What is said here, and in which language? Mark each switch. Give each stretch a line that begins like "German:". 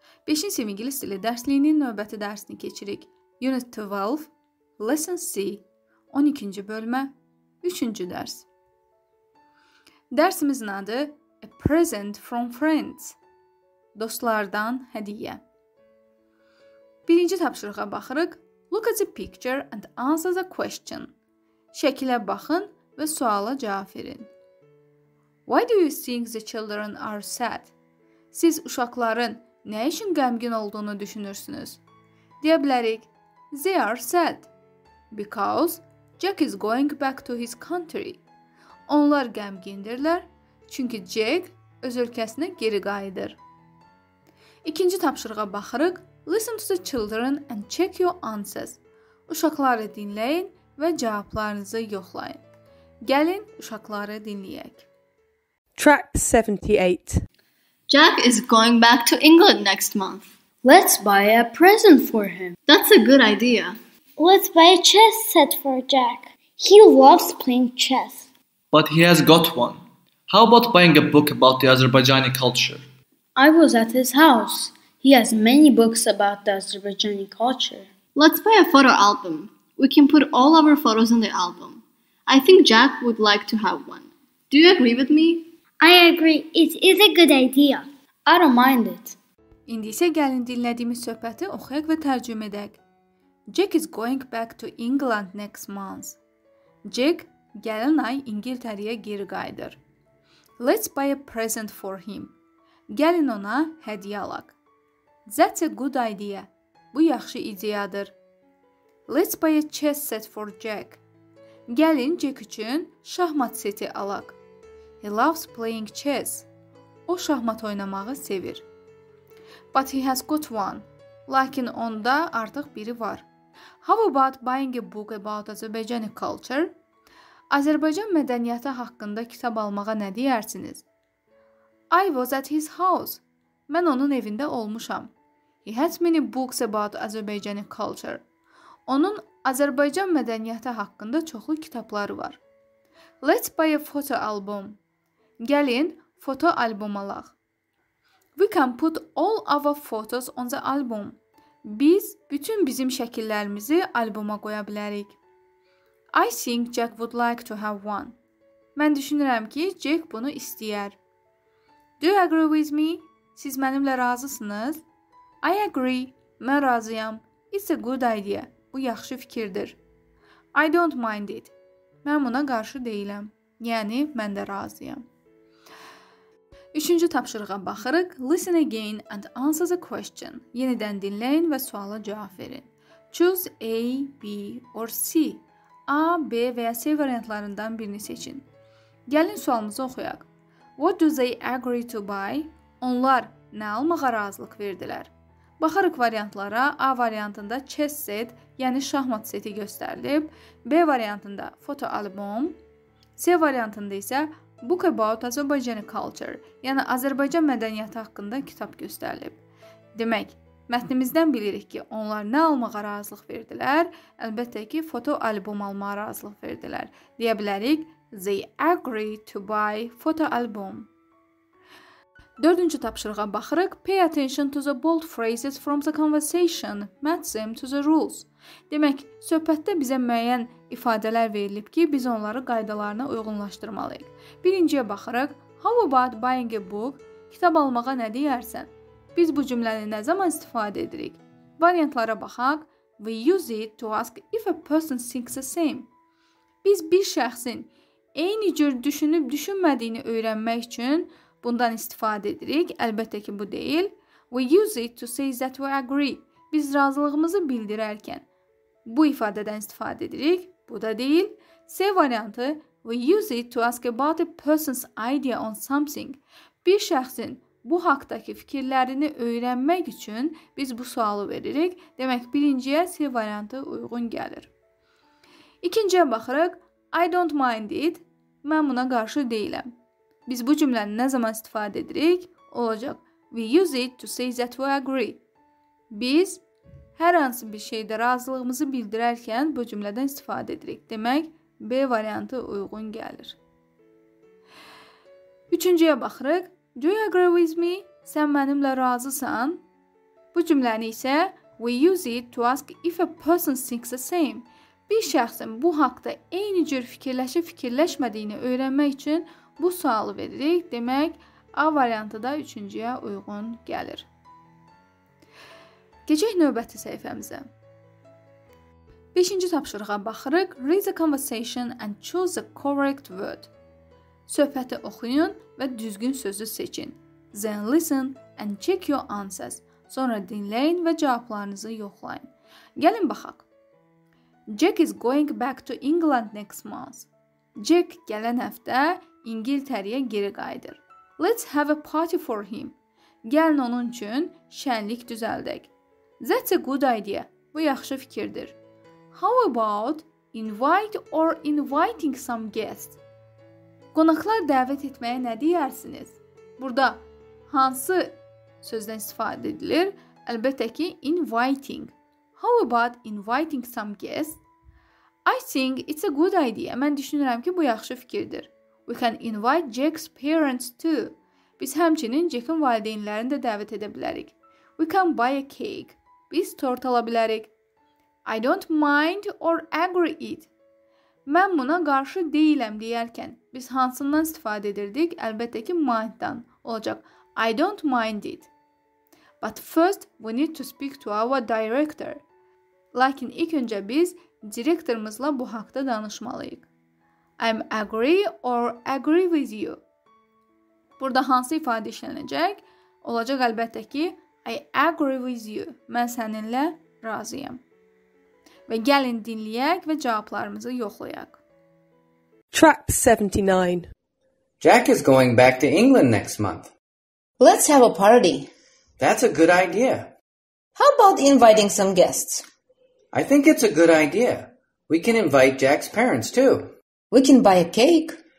Azerbaijani: 5-ci ingilis dili dərsliyinin növbəti dərsini keçirik. Unit 12, Lesson C, 12-ci bölmə, 3-cü dərs. Dərsimizin adı
English: A Present from Friends,
Azerbaijani: dostlardan hədiyyə. Birinci tapşırığa baxırıq.
English: Look at the picture and answer the question.
Azerbaijani: Şəkilə baxın və suala cavab verin.
English: Why do you think the children are sad?
Azerbaijani: Siz uşaqların nə üçün qəmgin olduğunu düşünürsünüz? Deyə bilərik,
English: they are sad. Because Jack is going back to his country.
Azerbaijani: Onlar qəmgindirlər, çünki Jack öz ölkəsinə geri qayıdır. İkinci tapşırığa baxırıq.
English: Listen to the children and check your answers.
Azerbaijani: Uşaqları dinləyin və cavablarınızı yoxlayın. Gəlin, uşaqları dinləyək.
English: Track 78. Jack is going back to England next month. Let's buy a present for him. That's a good idea. Let's buy a chess set for Jack. He loves playing chess. But he has got one. How about buying a book about the Azerbaijani culture? I was at his house. He has many books about the Azerbaijani culture. Let's buy a photo album. We can put all our photos in the album. I think Jack would like to have one. Do you agree with me? I agree. It is a good idea. I don't mind it.
Azerbaijani: İndi isə gəlin dinlədiyimiz söhbəti oxuyaq və tərcümə edək.
English: Jack is going back to England next month.
Azerbaijani: Jack gələn ay İngiltərəyə geri qayıdır.
English: Let's buy a present for him.
Azerbaijani: Gəlin ona hədiyə alaq.
English: That's a good idea.
Azerbaijani: Bu yaxşı ideyadır.
English: Let's buy a chess set for Jack.
Azerbaijani: Gəlin Jack üçün şahmat seti alaq.
English: He loves playing chess.
Azerbaijani: O şahmat oynamağı sevir.
English: But he has got one.
Azerbaijani: Lakin onda artıq biri var.
English: How about buying a book about Azerbaijani culture?
Azerbaijani: Azərbaycan mədəniyyəti haqqında kitab almağa nə deyərsiniz?
English: I was at his house.
Azerbaijani: Mən onun evində olmuşam.
English: He has many books about Azerbaijani culture.
Azerbaijani: Onun Azərbaycan mədəniyyəti haqqında çoxlu kitabları var.
English: Let's buy a photo album.
Azerbaijani: Gəlin, foto albom alaq.
English: We can put all our photos on the album.
Azerbaijani: Biz bütün bizim şəkillərimizi alboma qoya bilərik.
English: I think Jack would like to have one.
Azerbaijani: Mən düşünürəm ki, Jack bunu istəyər.
English: Do you agree with me?
Azerbaijani: Siz mənimlə razısınız?
English: I agree.
Azerbaijani: Mən razıyam.
English: It's a good idea.
Azerbaijani: Bu yaxşı fikirdir.
English: I don't mind it.
Azerbaijani: Mən buna qarşı deyiləm. Yəni, mən də razıyam. Üçüncü tapşırığa baxırıq.
English: Listen again and answer the question.
Azerbaijani: Yenidən dinləyin və suala cavab verin.
English: Choose A, B or C.
Azerbaijani: A, B və ya C variantlarından birini seçin. Gəlin sualımızı oxuyaq.
English: What do they agree to buy?
Azerbaijani: Onlar nə almağa razılıq verdilər? Baxırıq variantlara. A variantında chess set, yəni şahmat seti göstərilib. B variantında foto albom. C variantında isə
English: Book about Azerbaijani culture,
Azerbaijani: yəni Azərbaycan mədəniyyəti haqqında kitab göstərilib. Demək, mətnimizdən bilirik ki, onlar nə almağa razılıq verdilər? Əlbəttə ki, foto albom almağa razılıq verdilər. Deyə bilərik,
English: they agree to buy photo album.
Azerbaijani: Dördüncü tapşırığa baxırıq.
English: Pay attention to the bold phrases from the conversation. Match them to the rules.
Azerbaijani: Demək, söhbətdə bizə müəyyən ifadələr verilib ki, biz onları qaydalarına uyğunlaşdırmalıyıq. Birinciyə baxırıq.
English: How about buying a book?
Azerbaijani: Kitab almağa nə deyərsən? Biz bu cümləni nə zaman istifadə edirik? Variantlara baxaq.
English: We use it to ask if a person thinks the same.
Azerbaijani: Biz bir şəxsin eyni cür düşünüb-düşünmədiyini öyrənmək üçün bundan istifadə edirik. Əlbəttə ki, bu deyil.
English: We use it to say that we agree.
Azerbaijani: Biz razılığımızı bildirərkən bu ifadədən istifadə edirik. Bu da deyil.
English: C variantı, we use it to ask about a person's idea on something.
Azerbaijani: Bir şəxsin bu haqdakı fikirlərini öyrənmək üçün biz bu sualı veririk. Demək, birinciyə C variantı uyğun gəlir. İkinciyə baxırıq.
English: I don't mind it.
Azerbaijani: Mən buna qarşı deyiləm. Biz bu cümləni nə zaman istifadə edirik? Olacaq.
English: We use it to say that we agree.
Azerbaijani: Biz hər hansı bir şeydə razılığımızı bildirərkən bu cümlədən istifadə edirik. Demək, B variantı uyğun gəlir. Üçüncüyə baxırıq.
English: Do you agree with me?
Azerbaijani: Sen benimle razısın? Bu cümleni ise
English: we use it to ask if a person thinks the same.
Azerbaijani: Bir şəxsin bu haqda eyni cür fikirləşmədiyini öyrənmək üçün bu sualı veririk. Demək, A variantı da üçüncüyə uyğun gəlir. Keçək növbəti səhifəmizə. Beşinci tapşırığa baxırıq.
English: Read the conversation and choose the correct word.
Azerbaijani: Söhbəti oxuyun və düzgün sözü seçin.
English: Then listen and check your answers.
Azerbaijani: Sonra dinləyin və cavablarınızı yoxlayın. Gəlin baxaq.
English: Jack is going back to England next month.
Azerbaijani: Jack gələn həftə İngiltərəyə geri qayıdır.
English: Let's have a party for him.
Azerbaijani: Gəlin onun üçün şənlik düzəldək.
English: That's a good idea.
Azerbaijani: Bu yaxşı fikirdir.
English: How about invite or inviting some guests?
Azerbaijani: Qonaqlar dəvət etməyə nə deyərsiniz? Burada hansı sözdən istifadə edilir? Əlbəttə ki, inviting.
English: How about inviting some guests? I think it's a good idea.
Azerbaijani: Mən düşünürəm ki, bu yaxşı fikirdir.
English: We can invite Jack's parents too.
Azerbaijani: Biz həmçinin Jack'ın valideynlərini də dəvət edə bilərik.
English: We can buy a cake.
Azerbaijani: Biz tort ala bilərik.
English: I don't mind or agree it.
Azerbaijani: Mən buna qarşı deyiləm deyərkən, biz hansından istifadə edirdik? Əlbəttə ki, mind-dan olacaq.
English: I don't mind it. But first, we need to speak to our director.
Azerbaijani: Lakin ilk öncə biz direktorumuzla bu haqda danışmalıyıq.
English: I'm agree or agree with you.
Azerbaijani: Burada hansı ifadə işlənəcək? Olacaq əlbəttə ki,
English: I agree with you.
Azerbaijani: Mən səninlə razıyam. Və gəlin dinləyək və cavablarımızı yoxlayaq.
English: Track 79. Jack is going back to England next month. Let's have a party. That's a good idea. How about inviting some guests? I think it's a good idea. We can invite Jack's parents too. We can buy a cake.